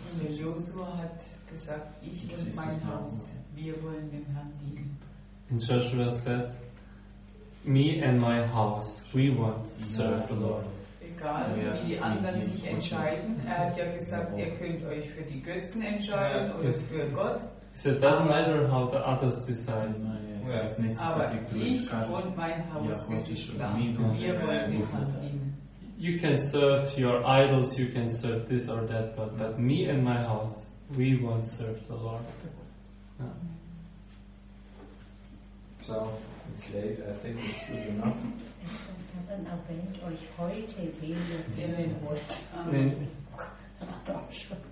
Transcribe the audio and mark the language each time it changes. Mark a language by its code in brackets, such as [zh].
[en] Joshua had said, [de] "Ich und mein Haus, wir wollen dem Herrn dienen." [en] And Joshua said, "Me and my house, we want to serve the Lord." [de] Egal, wie die anderen sich entscheiden. Er hat ja gesagt, ihr könnt euch für die Götzen entscheiden oder für Gott. [en] He said, "Doesn't matter how the others decide." [de] Aber ich und mein Haus, das ist klar. Wir wollen dem Herrn dienen. [en] You can serve your idols, you can serve this or that, but me and my house, we want to serve the Lord. So, it's late, I think it's good enough. [de] Dann erwähnt euch heute, wen ihr wählen wollt.